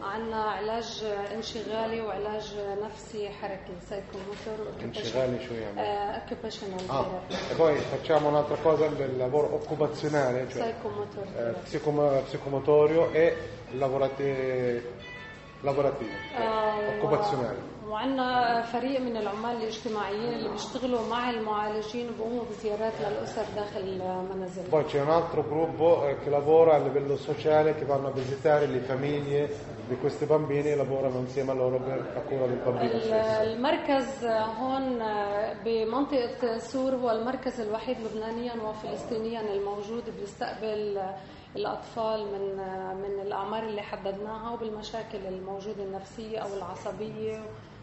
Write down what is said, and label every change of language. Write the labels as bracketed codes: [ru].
[ar] Anna علاج انشغالي وعلاج نفسي حركي سايكوموتور انشغالي شويه [en] Occupational. [it] E poi facciamo un'altra cosa del lavoro occupazionale, cioè psicomotorio e lavorativo occupazionale. [ar] وعنا فريق من العمال الاجتماعيين اللي بيشتغلوا مع المعالجين وبقوموا بزيارات للأسر داخل المنازل. [it] Poi c'è un altro gruppo che lavora a livello sociale che vanno a visitare le famiglie di questi bambini e lavorano insieme a loro per la cura del bambino stesso. [ar] المركز هون بمنطقة سور هو المركز الوحيد لبنانيا وفلسطينيا الموجود بيستقبل الأطفال من الأعمار اللي حددناها وبالمشاكل الموجودة النفسية أو العصبية.